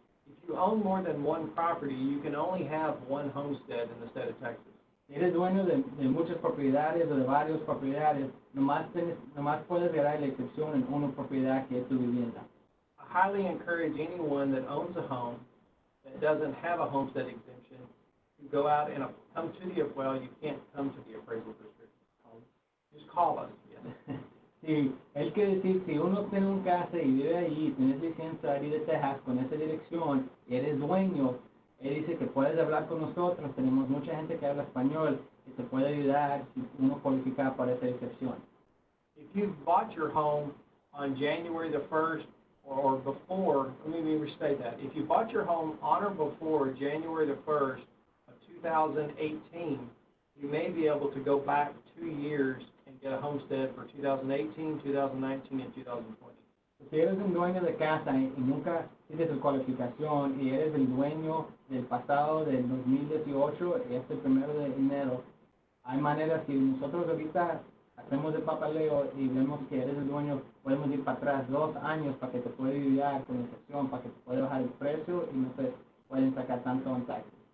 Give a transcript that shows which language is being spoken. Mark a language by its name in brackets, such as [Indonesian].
[English] If you own more than one property, you can only have one homestead in the state of Texas. [Spanish] Si eres dueño de muchas propiedades o de varias propiedades, nomás puedes ganar la excepción en una propiedad que es tu vivienda. [English] I highly encourage anyone that owns a home that doesn't have a homestead exemption to go out and come to the appraisal. Well, you can't come to the appraisal district. Just call us. [Spanish] Sí, él quiere decir, si uno tiene un casa y vive ahí, tienes licencia de ir de Texas con esa dirección, y eres dueño, él dice que puedes hablar con nosotros, tenemos mucha gente que habla español y te puede ayudar si uno cualifica para esa excepción. [English] If you've bought your home on January the 1st or before, let me restate that. If you bought your home on or before January the 1st of 2018, you may be able to go back 2 years and get a homestead for 2018, 2019, and 2020. [Spanish] Si eres un dueño de casa y nunca tienes tu cualificación y eres el dueño del pasado del 2018 y este primero de enero, hay maneras, si nosotros ahorita hacemos el papeleo y vemos que eres el dueño, podemos ir para atrás 2 años para que te pueda ayudar con la excepción, para que te pueda bajar el precio y no te pueden sacar tanto en taxes.